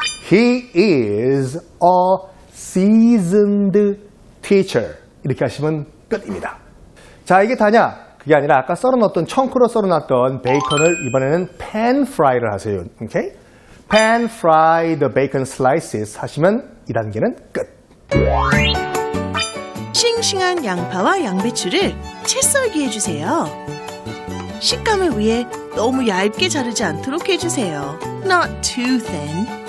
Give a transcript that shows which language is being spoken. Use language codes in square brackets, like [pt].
[en] He is a seasoned teacher. [ko] 이렇게 하시면 끝입니다. 자, 이게 다냐? 그게 아니라 아까 썰어놨던 청크로 썰어놨던 베이컨을 이번에는 팬 프라이를 하세요. 오케이? [en] Pan fry the bacon slices [ko] 하시면 이 단계는 끝. 싱싱한 양파와 양배추를 채썰기 해주세요. 식감을 위해 너무 얇게 자르지 않도록 해주세요. [en] Not too thin.